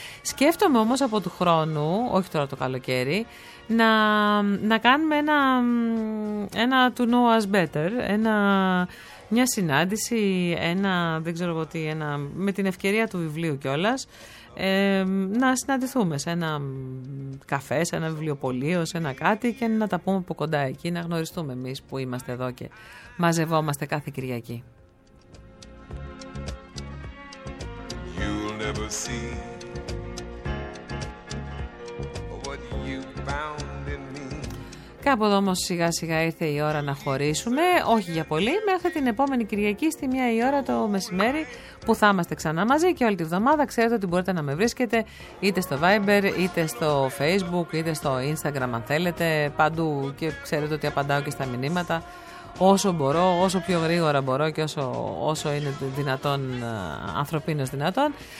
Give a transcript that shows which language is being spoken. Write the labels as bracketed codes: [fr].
[el] Σκέφτομαι όμως από του χρόνου, όχι τώρα το καλοκαίρι, να κάνουμε ένα [en] to know us better, [el] μια συνάντηση, δεν ξέρω τι, με την ευκαιρία του βιβλίου κιόλας. Να συναντηθούμε σε ένα καφέ, σε ένα βιβλιοπωλείο, σε ένα κάτι και να τα πούμε από κοντά εκεί, να γνωριστούμε εμείς που είμαστε εδώ και μαζευόμαστε κάθε Κυριακή. [en] You'll never see what you found in me. [el] Κάπου εδώ όμως σιγά σιγά ήρθε η ώρα να χωρίσουμε, όχι για πολύ, μέχρι την επόμενη Κυριακή στη 1 η ώρα το μεσημέρι που θα είμαστε ξανά μαζί και όλη τη βδομάδα ξέρετε ότι μπορείτε να με βρίσκετε είτε στο Viber, είτε στο Facebook, είτε στο Instagram αν θέλετε, παντού και ξέρετε ότι απαντάω και στα μηνύματα όσο μπορώ, όσο πιο γρήγορα μπορώ και όσο είναι δυνατόν, ανθρωπίνως δυνατόν.